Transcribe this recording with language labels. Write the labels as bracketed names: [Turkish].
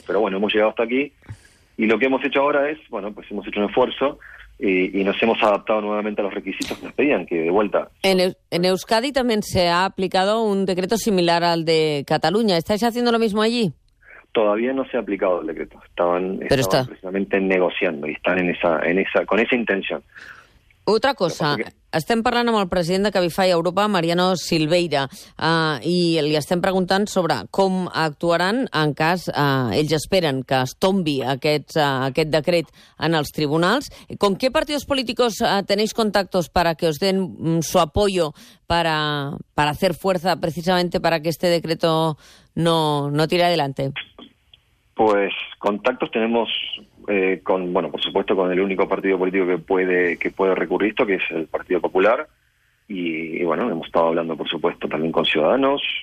[Spanish] Pero bueno, hemos llegado hasta aquí y lo que hemos hecho ahora es, bueno, pues hemos hecho un esfuerzo y nos hemos adaptado nuevamente a los requisitos que nos pedían, que de vuelta... En Euskadi también se ha aplicado un decreto similar al de Cataluña. ¿Estáis haciendo lo mismo allí? Todavía no se ha aplicado el decreto. Estaban precisamente negociando y están con esa intención. Otra cosa, [Catalan] estem parlant amb el president de Cabify Europa, Mariano Silveira, i li estem preguntant sobre com actuaran en cas, ells esperen que es tombi aquest decret en els tribunals. [Spanish] ¿Con qué partidos políticos tenéis contactos para que os den su apoyo para hacer fuerza precisamente para que este decreto no tire adelante? Pues contactos tenemos por supuesto, con el único partido político que puede recurrir esto, que es el Partido Popular, y bueno, hemos estado hablando, por supuesto, también con Ciudadanos.